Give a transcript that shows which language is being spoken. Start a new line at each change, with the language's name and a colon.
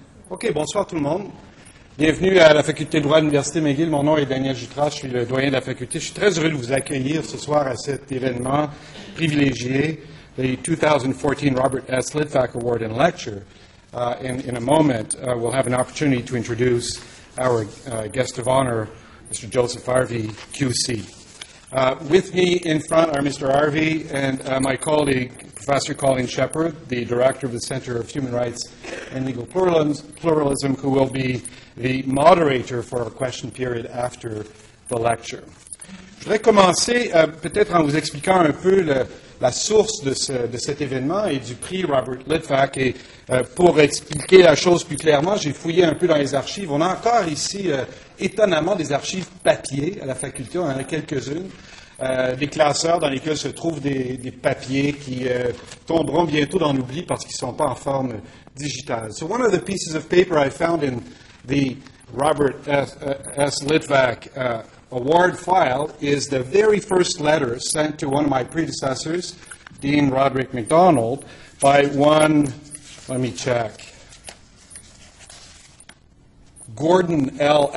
French: OK, bonsoir tout le monde. Bienvenue à la Faculté de droit de l'Université McGill. Mon nom est Daniel Jutras, je suis le doyen de la faculté. Je suis très heureux de vous accueillir ce soir à cet événement privilégié, le 2014 Robert S.
English: Litvak Award and Lecture. In a moment, we'll have an opportunity to introduce our guest of honor, Mr. Joseph Harvey, QC. With me in front are Mr. Harvey and my colleague, Professor Colleen Shepherd, the director of the Center of Human Rights and Legal Pluralism, who will be the moderator for our question period after the lecture.
French: Je voudrais commencer peut-être en vous expliquant un peu la source de cet événement et du prix Robert Litvak. Et pour expliquer la chose plus clairement, j'ai fouillé un peu dans les archives. On a encore ici, étonnamment, des archives papier à la faculté. On en a quelques-unes. Des classeurs dans lesquels se trouvent des papiers qui tomberont bientôt dans l'oubli parce qu'ils ne sont pas en forme digitale.
English: So one of the pieces of paper I found in the Robert S. Litvak Award file is the very first letter sent to one of my predecessors, Dean Roderick MacDonald, by one, let me check, Gordon L.